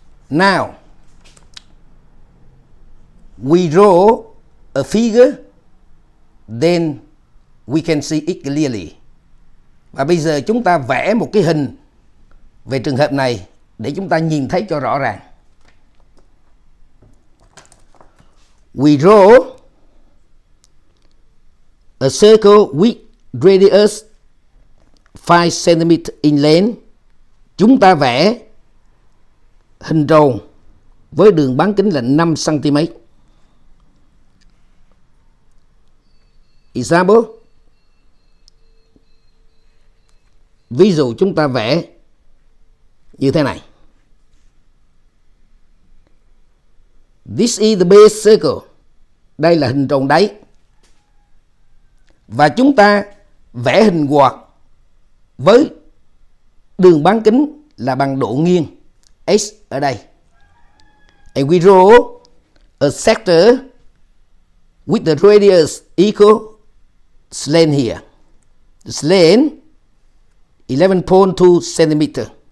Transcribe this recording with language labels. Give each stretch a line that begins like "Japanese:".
English: Now we draw a figure, then we can see it clearly.
Vietnamese: Và bây giờ chúng ta vẽ một cái hình về trường hợp này để chúng ta nhìn thấy cho rõ ràng.
English: We draw a circle with radius 5 cm in length.
Vietnamese: Chúng ta vẽ hình tròn với đường bán kính là 5 cm.
English: Example.
Vietnamese: Ví dụ chúng ta vẽ như thế này.
English: This is the base circle.
Vietnamese: Đây là hình tròn đáy. Và chúng ta vẽ hình quạt với đường bán kính là bằng độ nghiêng S ở đây.
English: And we draw a sector with the radius equal slant here. The slant 11.2 cm.